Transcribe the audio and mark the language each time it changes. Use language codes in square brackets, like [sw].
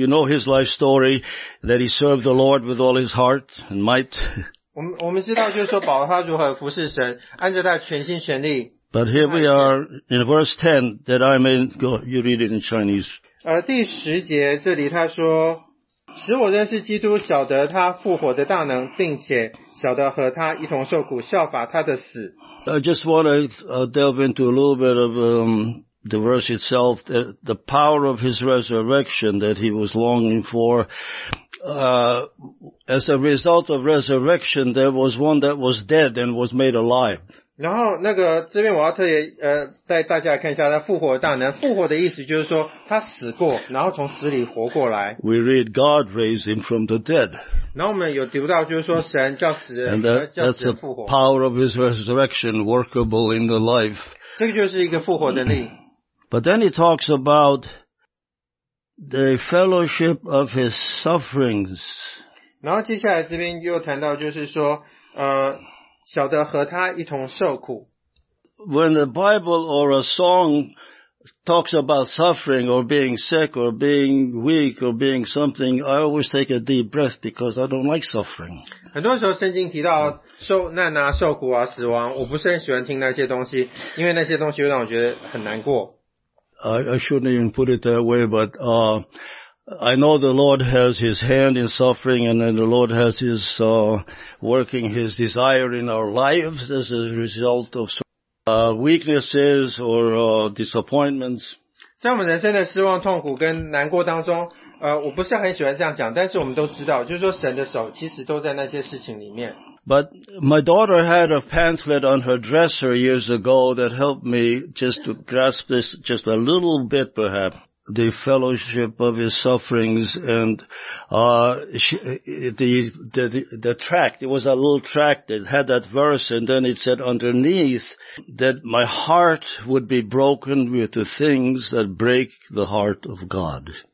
[en] you know his life story, that he served the Lord with all his heart and might. [zh] 我们知道就是说保罗他如何服侍神，按着他全心全力。 [en] But here we are in verse 10, that I may go, you read it in Chinese. [zh] 第十节这里他说， 使我认识基督，晓得他复活的大能，并且晓得和他一同受苦，效法他的死。 [en] I just want to delve into a little bit of the verse itself, the power of his resurrection that he was longing for. As a result of resurrection, there was one that was dead and was made alive. [zh] 然后那个这边我要特别带大家看一下他复活的大能。复活的意思就是说他死过，然后从死里活过来。 [en] We read God raised him from the dead. [zh] 然后我们有读到就是说神叫死人复活。 [en] Power of his resurrection workable in the life. [zh] 这个就是一个复活的力。 [en] But then he talks about the fellowship of his sufferings. [zh] 然后接下来这边又谈到就是说， 晓得和他一同受苦。 [en] When the Bible or a song talks about suffering or being sick or being weak or being something, I always take a deep breath because I don't like suffering. [zh] 很多时候圣经提到受难啊，受苦啊，死亡，我不是很喜欢听那些东西，因为那些东西会让我觉得很难过。 [en] I shouldn't even put it that way, but I know the Lord has His hand in suffering, and then the Lord has His working His desire in our lives as a result of weaknesses or disappointments. [zh] 在我们人生的失望、痛苦跟难过当中，我不是很喜欢这样讲，但是我们都知道，就是说神的手其实都在那些事情里面。 [en] But my daughter had a pamphlet on her dresser years ago that helped me just to grasp this just a little bit, perhaps. The fellowship of His sufferings and the tract. It was a little tract that had that verse, and then it said underneath that my heart would be broken with the things that break the heart of God.